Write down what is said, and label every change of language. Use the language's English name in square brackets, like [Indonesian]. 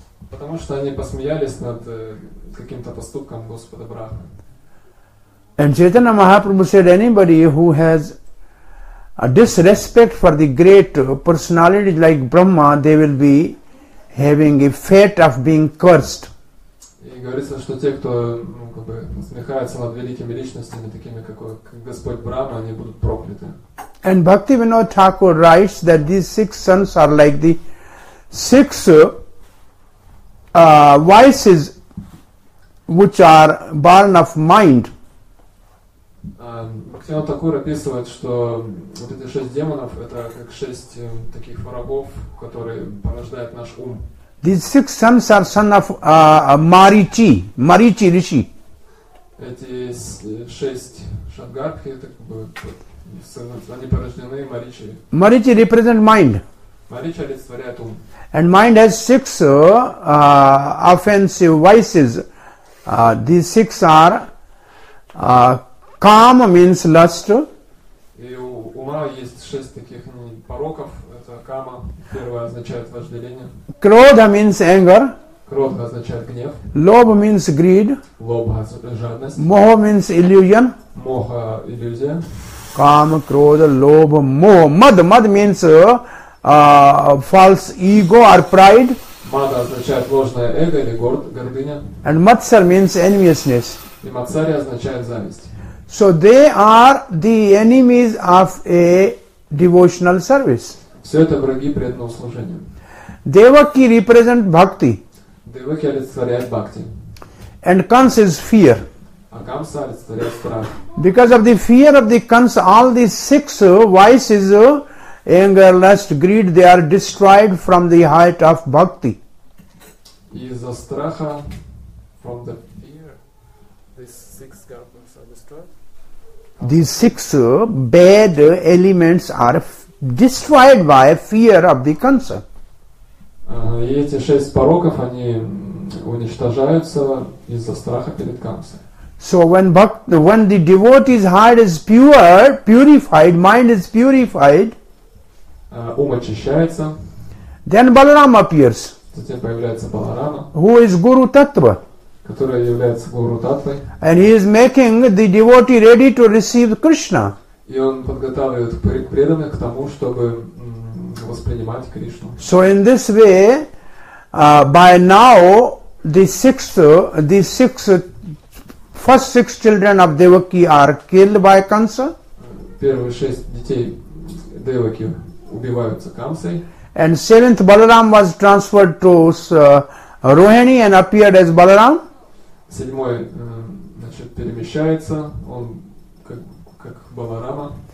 [Russian] Потому что они посмеялись над каким-то поступком Господа Брахмы. [English] And Chaitanya Mahaprabhu said, anybody who has a disrespect for the great personality like Brahma, they will be having a fate of being cursed. [Russian] И говорится, что те, кто, ну, как бы насмехается над великими личностями, такими как Господь Брахма, они будут прокляты. [English] And Bhaktivinoda Thakur writes that these six sons are like the six vices which are born of mind. [Russian] Бхактивинода Такур описывает, что вот эти шесть демонов – это как шесть таких врагов, которые порождают наш ум. [English] These six sons are sons of Marichi, Marichi Rishi. [Russian] Эти шесть Шатгарбхи, это как бы сыны, они порождены Маричи. [English] Маричи represent mind. [Russian] Маричи олицетворяет ум. [English] And mind has six offensive vices. These six are Kama means lust. [Russian] И у ума есть шесть таких пороков. Кама, первое, означает вожделение. [English] Кродха means anger. [Russian] Кродха означает гнев. [English] Лобха means greed. [Russian] Лобха – жадность. [English] Моха means illusion. [Russian] Моха – иллюзия. [English] Кама, кродха, лобха, моха. Мад means false ego or pride. [Russian] Мада означает ложное эго или гордыня. [English] And матсар means enviousness. [Russian] И матсари означает зависть. [English] So they are the enemies of a devotional service. [Russian] Все это враги преданного служения. [English] Devaki represent bhakti. [Russian] Devaki олицетворяет bhakti. [English] And kansa is fear. [Russian] А kansa олицетворяет страх. [English] Because of the fear of the kansa, all these six vices, anger, lust, greed, they are destroyed from the height of bhakti. [Russian] Из-за страха, [English] from the fear, these six garments are destroyed. These six bad elements are destroyed by fear of the kansa. [Russian] И эти шесть пороков, они уничтожаются из-за страха перед камсой. [English] So when the devotee's heart is pure, purified, mind is purified, [Russian] ум очищается, [English] then Balarama appears. [Russian] Затем появляется Баларама, [English] who is Guru Tattva, [Russian] который является Guru Tattvой. [English] And he is making the devotee ready to receive Krishna. [Russian] И он подготавливает преданных к тому, чтобы воспринимать Кришну. [English] So in this way, by now the first six children of Devaki are killed by Kamsa. [Russian] Первые шесть детей Деваки убиваются Камсой. [English] And seventh Balaram was transferred to Rohini and appeared as Balaram. [Russian] Седьмой перемещается, он как Баларама.